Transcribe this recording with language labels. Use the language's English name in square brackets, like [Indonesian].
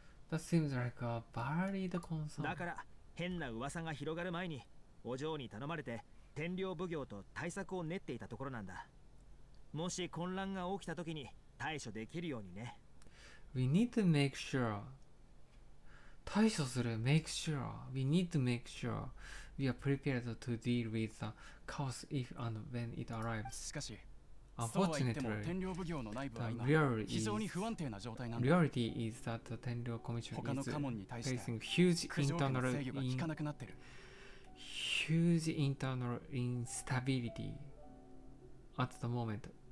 [English] That seems like a valid concern。 [Japanese] だから変な噂が広がる前にお嬢に頼まれて天領奉行と対策を練っていたところなんだ。もし混乱が起きた時に対処できるようにね。 [English] We need to make sure。 [Japanese] 対処する [English] make sure。 We need to make sure we are prepared to deal with the chaos if and when it arrives。 [Japanese] しかしそうは言っても天領奉行の内部は今非常に不安定な状態なん [English] だ。Reality is that the 天領コミッション [Japanese] は他の家紋に対して苦情権の制御が効かなくなってる。 [English] Huge internal instability at the moment。